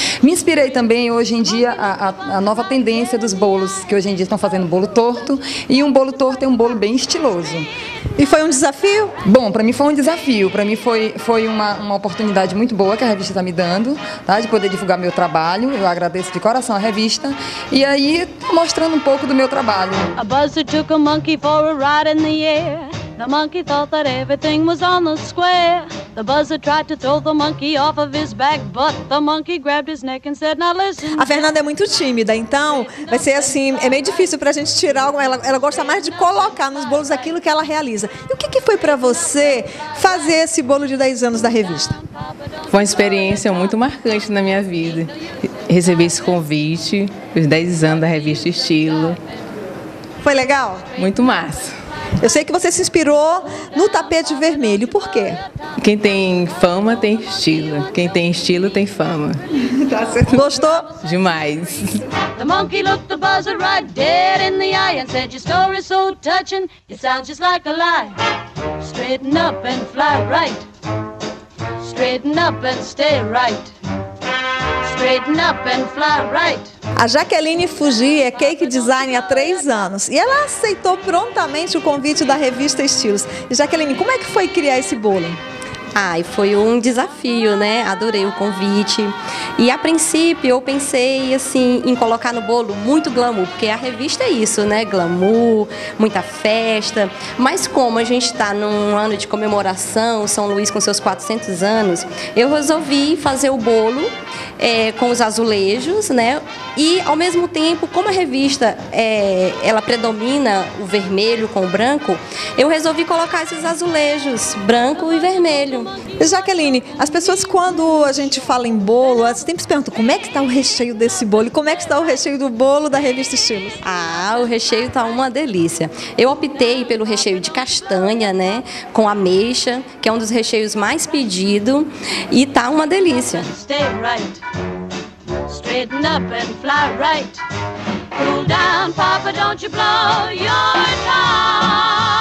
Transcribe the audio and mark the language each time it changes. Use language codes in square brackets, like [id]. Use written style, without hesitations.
[pt] Me inspirei também hoje em dia a nova tendência dos bolos, que hoje em dia estão fazendo bolo torto, e um bolo torto é um bolo bem estiloso. E foi um desafio? Bom, para mim foi um desafio, para mim foi uma oportunidade muito boa que a revista está me dando, tá? De poder divulgar meu trabalho. Eu agradeço de coração a revista e aí mostrando um pouco do meu trabalho. [en] A buzzer took a monkey for a ride in the air. The monkey thought that everything was on the square. The buzzer tried to throw the monkey off of his back, but the monkey grabbed his neck and said, "Now listen." [pt] A Fernanda é muito tímida, então vai ser assim, é meio difícil pra gente tirar alguma. Ela gosta mais de colocar nos bolos aquilo que ela realiza. E o que foi pra você fazer esse bolo de 10 anos da revista? Foi uma experiência muito marcante na minha vida. Receber esse convite, os 10 anos da revista Estilo. Foi legal? Muito massa. Eu sei que você se inspirou no tapete vermelho, por quê? Quem tem fama tem estilo. Quem tem estilo tem fama. Tá certo. Gostou? Demais. [en] The monkey looked the buzzer right dead in the eye and said, "Your story is so touching, it sounds just like a lie. Straighten up and fly right. Straighten up and stay right. Straighten up and fly right." [pt] A Jaqueline Fuji é cake designer há 3 anos e ela aceitou prontamente o convite da revista Estilos. Jaqueline, como é que foi criar esse bolo? Ah, foi um desafio, né? Adorei o convite. E a princípio eu pensei assim em colocar no bolo muito glamour, porque a revista é isso, né? Glamour, muita festa. Mas como a gente está num ano de comemoração, São Luís com seus 400 anos, eu resolvi fazer o bolo com os azulejos, né? E ao mesmo tempo, como a revista ela predomina o vermelho com o branco, eu resolvi colocar esses azulejos branco e vermelho. E Jaqueline, as pessoas quando a gente fala em bolo, elas sempre se perguntam como é que está o recheio desse bolo e como é que está o recheio do bolo da revista Estilos? Ah, o recheio está uma delícia. Eu optei pelo recheio de castanha, né, com ameixa, que é um dos recheios mais pedidos e está uma delícia. [en] Stay right, straighten up and fly right. Cool down, Papa, don't you blow your tongue.